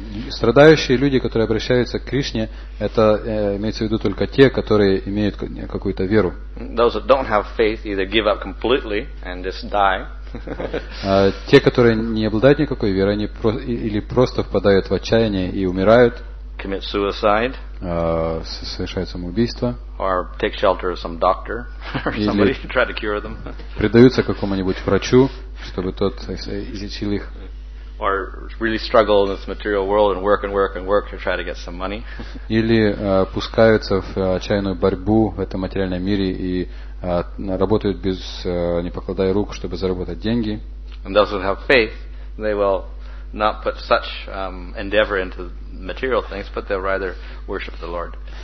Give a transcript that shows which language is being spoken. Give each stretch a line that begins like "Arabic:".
Russian: Страдающие люди, которые обращаются к Кришне, это имеется в виду только те, которые имеют какую-то веру.
English: Those that don't have faith either give up completely and just die.
Russian: Те, которые не обладают никакой верой, они или просто впадают в отчаяние и умирают.
English: Commit suicide.
Russian: Совершают самоубийство.
English: Or take shelter of some doctor or somebody to try to cure them.
Russian: Предаются какому-нибудь врачу, чтобы тот излечил их.
English: Or really struggle in this material world and work and work and work to try to get some money.
Russian: Или пускаются в отчаянную борьбу в этом материальном мире и работают без не покладая рук, чтобы заработать деньги.
English: And those who have faith, they will not put such endeavor into material things, but they'll rather worship the Lord.